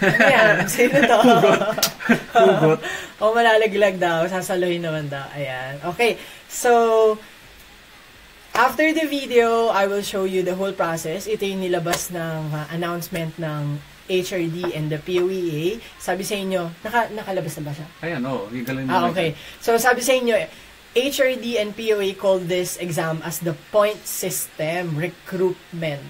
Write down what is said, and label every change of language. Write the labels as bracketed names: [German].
[Filipino] Ayan, sino to? Hugot. Kung malalaglag daw, sasaluhin naman daw. Ayan. [English] Okay, so after the video, I will show you the whole process. [Filipino] Ito yung nilabas ng announcement ng HRD and the POEA. Sabi sa inyo, nakalabas na ba siya? Ayan, oo. [English] Okay. So, [Filipino] sabi sa inyo, [English] HRD and POEA called this exam as the point system recruitment.